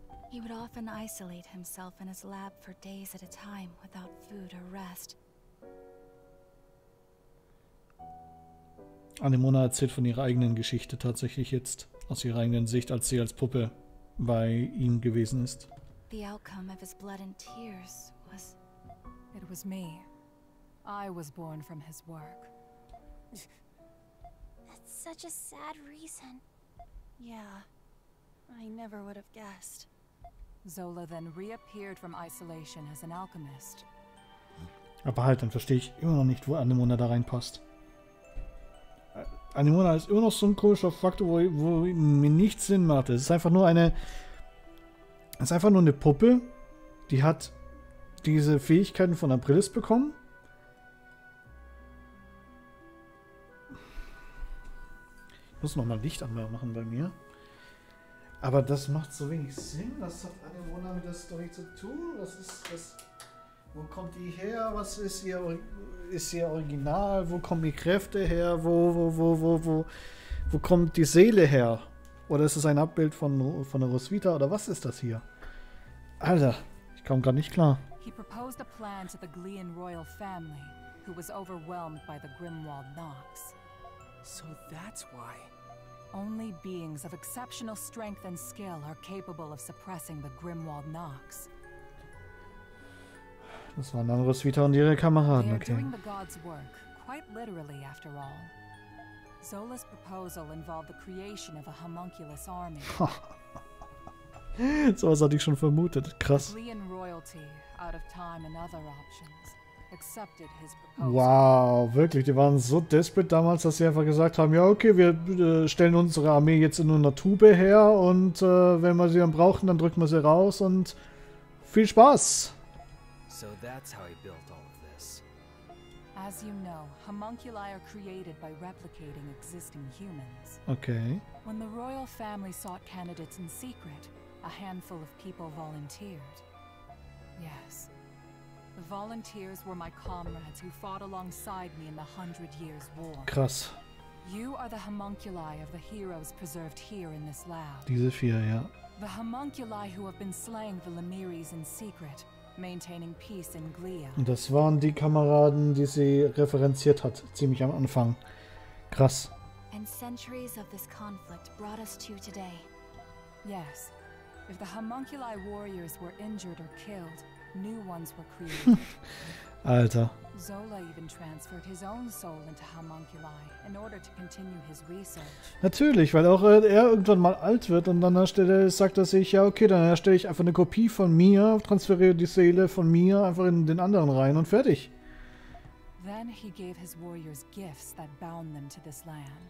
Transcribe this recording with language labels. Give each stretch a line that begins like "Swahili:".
English: He would often isolate himself in his lab for days at a time without food or rest.
German: Anemona erzählt von ihrer eigenen Geschichte tatsächlich jetzt aus ihrer eigenen Sicht, als sie als Puppe bei ihm gewesen ist.
English: The outcome of his blood and tears was... It was me. I was born from his work. That's such a sad reason. Yeah. I never would have guessed. Zola then reappeared from isolation as an alchemist.
German: Aber halt, dann verstehe ich immer noch nicht, wo Anemona da reinpasst. Anemona ist immer noch so ein komischer Faktor, wo mir nichts Sinn macht. Es ist einfach nur eine. Es ist einfach nur eine Puppe, die hat diese Fähigkeiten von Aprilis bekommen. Ich muss nochmal Licht anmachen bei mir. Aber das macht so wenig Sinn. Was hat Anemona mit der Story zu tun? Was ist das? Wo kommt die her? Was ist ihr? Ist ihr Original? Wo kommen die Kräfte her? Wo kommt die Seele her? Oder ist es ein Abbild von der Roswitha? Oder was ist das hier? Alter, ich komme gar nicht klar.
English: He proposed a plan to the Glean royal family, who was overwhelmed by the Grimwald Nox. So that's why. Only beings of exceptional strength and skill are capable of suppressing the Grimwald Nox.
German: Das waren dann Roswitha und ihre Kameraden, okay.
English: They are doing the gods' work, quite literally, after all. Zola's proposal involved the creation of a homunculus army.
German: So was hatte ich schon vermutet. Krass.
English: The Glean royalty, out of time and other options, accepted his proposal.
German: Wow, wirklich, die waren so desperate damals, dass sie einfach gesagt haben, ja okay, wir stellen unsere Armee jetzt in einer Tube her und wenn wir sie dann brauchen, dann drücken wir sie raus und viel Spaß!
English: So that's how he built all of this. As you know, homunculi are created by replicating existing humans. Okay. When the royal family sought candidates in secret, a handful of people volunteered. Yes. The volunteers were my comrades who fought alongside me in the Hundred Years War.
German: Krass.
English: You are the homunculi of the heroes preserved here in this lab.
German: Diese vier, ja.
English: The homunculi who have been slaying the Lemuris in secret, maintaining peace in Glia.
German: Und das waren die Kameraden, die sie referenziert hat, ziemlich am Anfang. Krass.
English: And centuries of this conflict brought us to today. Yes. If the homunculi warriors were injured or killed, new ones were created.
German: Alter.
English: Zola even transferred his own soul into homunculi in order to continue his research.
German: Natürlich, weil auch er irgendwann mal alt wird und an der Stelle sagt er sich, ja okay, dann erstelle ich einfach eine Kopie von mir, transferiere die Seele von mir einfach in den anderen rein und fertig.
English: Then he gave his warriors gifts that bound them to this land.